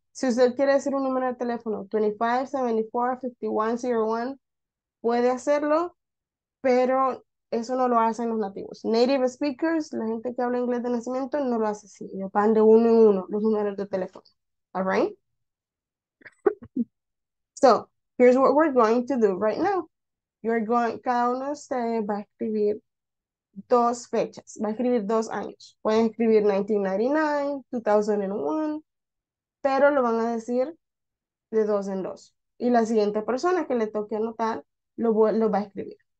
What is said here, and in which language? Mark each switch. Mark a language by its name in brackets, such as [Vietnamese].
[Spanish] Si usted quiere decir un número de teléfono, 2574-5101, puede hacerlo, pero eso no lo hacen los nativos. [English] Native speakers, [Spanish] la gente que habla inglés de nacimiento, no lo hace así. Ellos van de uno en uno los números de teléfono. [English] All right? So, here's what we're going to do right now. [Spanish] Cada uno de ustedes va a escribir dos fechas. Va a escribir dos años. Pueden escribir 1999, 2001, pero lo van a decir de dos en dos. Y la siguiente persona que le toque anotar lo va a escribir.